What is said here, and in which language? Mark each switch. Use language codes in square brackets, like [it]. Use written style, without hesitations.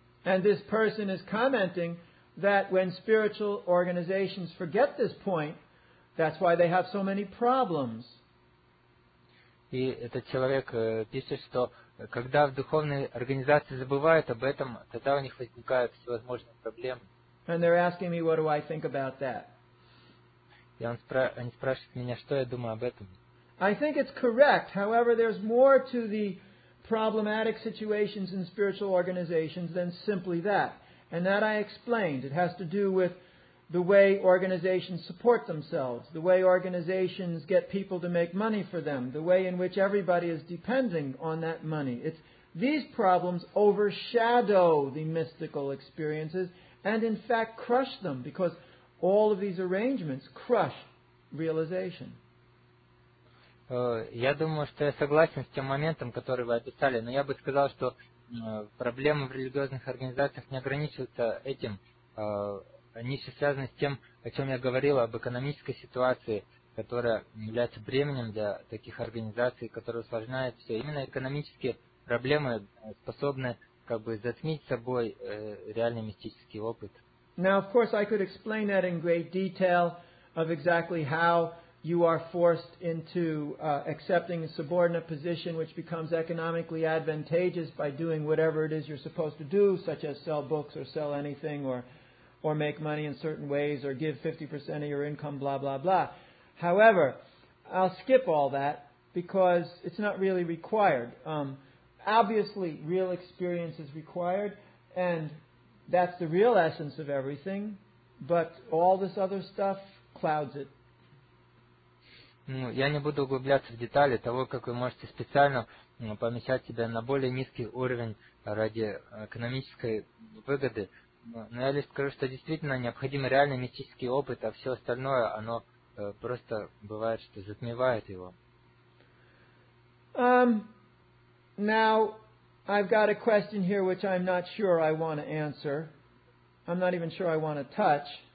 [en] And this person is commenting that when spiritual organizations forget this point, that's why they have so many problems. [ru] И этот человек пишет, что когда в духовной организации забывают об этом, тогда у них возникают всевозможные проблемы. [en] And they're asking me, what do I think about that? [ru] Они спрашивают меня, что я думаю об этом. [en] I think it's correct. However, there's more to the problematic situations in spiritual organizations than simply that. And that I explained. It has to do with the way organizations support themselves, the way organizations get people to make money for them, the way in which everybody is depending on that money. It's these problems overshadow the mystical experiences and in fact crush them, because all of these arrangements crush realization. [ru] Я думаю, что я согласен с тем моментом, который вы описали, но я бы сказал, что проблемы в религиозных организациях не ограничиваются этим. Они еще связаны с тем, о чем я говорил, об экономической ситуации, которая является бременем для таких организаций, которая усложняет все. Именно экономические проблемы способны как бы затмить собой реальный мистический опыт. [en] Now, of course, I could explain that in great detail of exactly how you are forced into accepting a subordinate position which becomes economically advantageous by doing whatever it is you're supposed to do, such as sell books or sell anything or make money in certain ways or give 50% of your income, blah, blah, blah. However, I'll skip all that because it's not really required. Obviously, real experience is required, and that's the real essence of everything, but all this other stuff clouds it. [ru] Ну, я не буду углубляться в детали того, как вы можете специально помещать себя на более низкий уровень ради экономической выгоды. Но я лишь скажу, что действительно необходим реальный мистический опыт, а все остальное, оно просто бывает, что затмевает его. [en] Now, I've got a question here which I'm not sure I want to answer. I'm not even sure I want to touch.